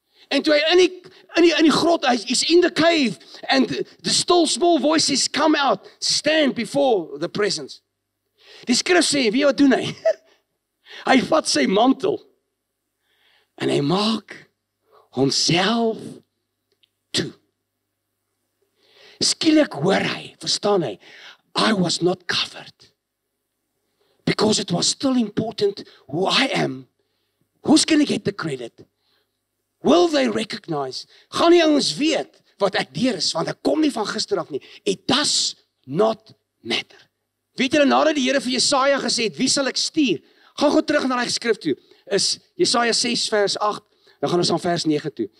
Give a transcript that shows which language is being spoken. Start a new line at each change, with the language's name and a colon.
Afrikaans: En toe hy in die grot,
English: he's in the cave, and the still small voices come out, stand before the presence.
Afrikaans: Die skrif sê, weet wat doen hy? Hy vat sy mantel, en hy maak homself toe. Skielik hoor hy, verstaan hy,
English: I was not covered, because it was still important who I am. Who's gonna get the credit? Will they recognize?
Afrikaans: Gaan die ouens weet wat ek deur is, want ek kom nie van gister af nie.
English: It does not matter.
Afrikaans: Weet julle, nadat die Here vir Jesaja gesê het, wie sal ek stuur? Gaan gou terug na die skrif toe. Is Jesaja 6 vers 8, dan gaan ons aan vers 9 toe.